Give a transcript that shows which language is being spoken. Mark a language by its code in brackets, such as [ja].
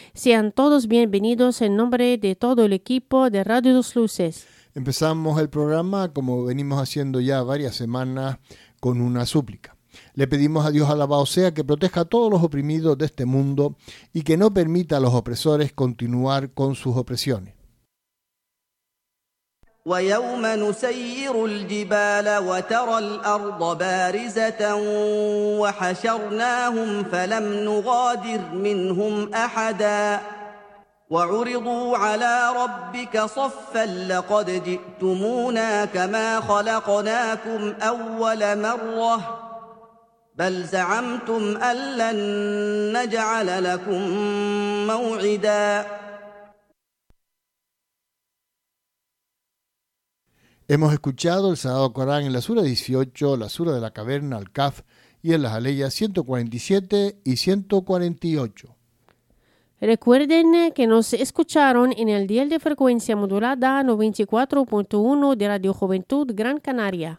[es] Sean todos bienvenidos en nombre de todo el equipo de Radio Dos Luces. Empezamos el programa, como venimos haciendo ya varias semanas, con una súplica. Le pedimos a Dios alabado sea que proteja a todos los oprimidos de este mundo y que no permita a los opresores continuar con sus opresiones. [ar] ويوم نسير الجبال وترى الأرض بارزة وحشرناهم فلم نغادر منهم أحدا وعرضوا على ربك صفا لقد جئتمونا كما خلقناكم أول مرة بل زعمتم ألن نجعل لكم موعدا. [es] Hemos escuchado el Sagrado Corán en la Sura 18, la Sura de la Caverna, al Kaf, y en las Aleyas 147 y 148. Recuerden que nos escucharon en el dial de frecuencia modulada 94.1 de Radio Juventud Gran Canaria.